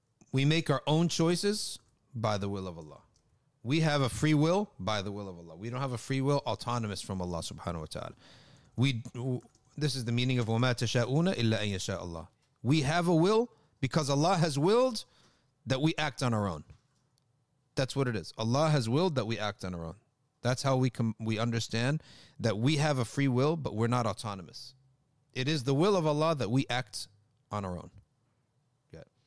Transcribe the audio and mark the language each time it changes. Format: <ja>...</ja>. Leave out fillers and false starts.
<en>We make our own choices by the will of Allah. We have a free will by the will of Allah. We don't have a free will autonomous from Allah subhanahu wa ta'ala. This is the meaning of</en> <ar>وَمَا تَشَاءُونَ إِلَّا أَن يَشَاءَ اللَّهُ.</ar> <en>We have a will because Allah has willed that we act on our own. That's what it is. Allah has willed that we act on our own. That's how we understand that we have a free will, but we're not autonomous. It is the will of Allah that we act on our own. Yeah.</en>